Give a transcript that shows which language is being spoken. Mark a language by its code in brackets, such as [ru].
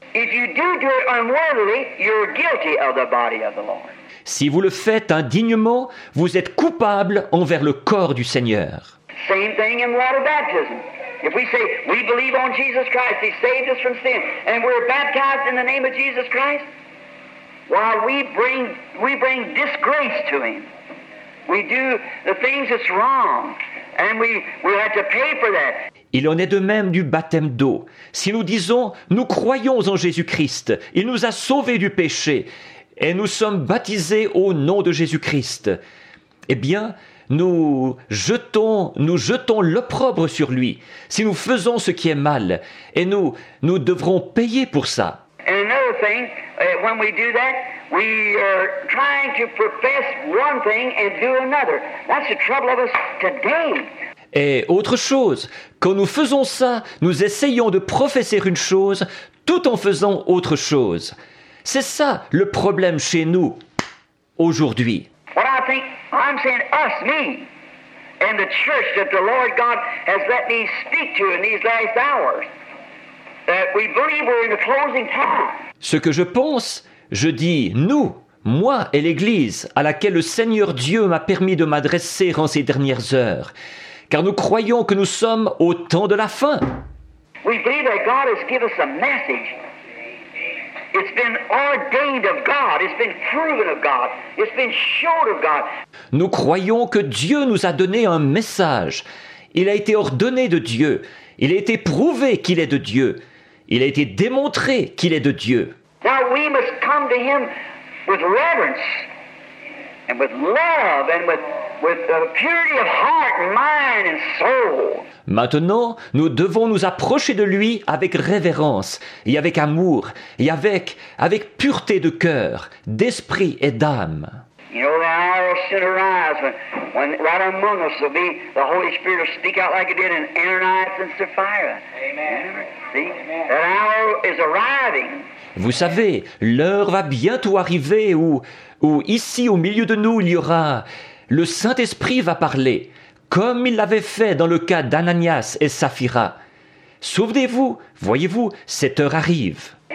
[en] If you do it unworthily, you're guilty of the body of the Lord. [fr] Si vous le faites indignement, vous êtes coupable envers le corps du Seigneur. [en] Same thing in water baptism. If we say we believe on Jesus Christ, He saved us from sin, and we're baptized in the name of Jesus Christ, while we bring disgrace to Him, we do the things that's wrong, and we have to pay for that. [fr] Il en est de même du baptême d'eau. Si nous disons nous croyons en Jésus Christ, il nous a sauvés du péché, et nous sommes baptisés au nom de Jésus Christ, eh bien, Nous jetons l'opprobre sur lui si nous faisons ce qui est mal, et nous devrons payer pour ça. [en] And another thing, when we do that, we are trying to profess one thing and do another. That's the trouble of us today. [fr] Et autre chose, quand nous faisons ça, nous essayons de professer une chose tout en faisant autre chose. C'est ça le problème chez nous aujourd'hui. [en] What I think I'm saying, us, me, and the church that the Lord God has let me speak to in these last hours, that we believe we're in the closing time. [fr] Ce que je pense, je dis nous, moi et l'Église à laquelle le Seigneur Dieu m'a permis de m'adresser en ces dernières heures, car nous croyons que nous sommes au temps de la fin. [en] We believe that God has given us a message. It's been ordained of God. It's been proven of God. It's been showed of God. [fr] Nous croyons que Dieu nous a donné un message. Il a été ordonné de Dieu. Il a été prouvé qu'il est de Dieu. Il a été démontré qu'il est de Dieu. [en] Now we must come to Him with reverence and with love and with the purity of heart, mind and soul. [fr] Maintenant, nous devons nous approcher de lui avec révérence et avec amour et avec pureté de cœur, d'esprit et d'âme. [en] You know, the hour will soon arise when right among us will be the Holy Spirit will speak out like it did in Ananias and Sapphira. Amen. See? Amen. That hour is arriving. [fr] Vous savez, l'heure va bientôt arriver où ici, au milieu de nous, il y aura... Le Saint-Esprit va parler, comme il l'avait fait dans le cas d'Ananias et Sapphira. Souvenez-vous, voyez-vous, cette heure arrive.